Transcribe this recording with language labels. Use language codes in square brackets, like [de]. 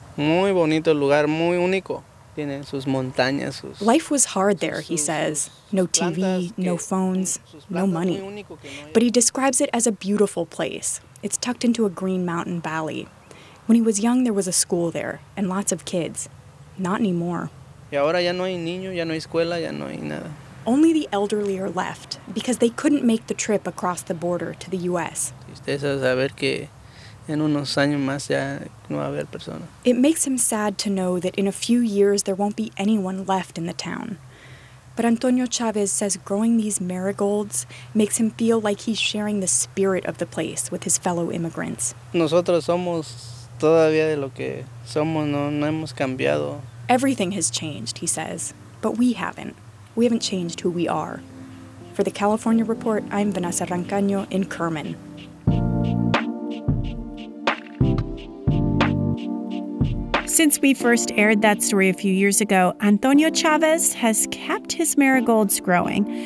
[es] Muy bonito lugar, muy único. Tiene sus montañas, sus, [en] life was hard there, he says. No TV, no phones, no money. But he describes it as a beautiful place. It's tucked into a green mountain valley. When he was young, there was a school there and lots of kids. Not anymore. [es] Y ahora ya no hay niño, ya no hay escuela, ya no hay nada. [en] Only the elderly are left because they couldn't make the trip across the border to the U.S. It makes him sad to know that in a few years there won't be anyone left in the town. But Antonio Chavez says growing these marigolds makes him feel like he's sharing the spirit of the place with his fellow immigrants. [es] Nosotros somos todavía de lo que somos, no hemos cambiado. [en] Everything has changed, he says, but we haven't. We haven't changed who we are. For the California Report, I'm Vanessa Rancaño in Kerman. Since we first aired that story a few years ago, Antonio Chavez has kept his marigolds growing.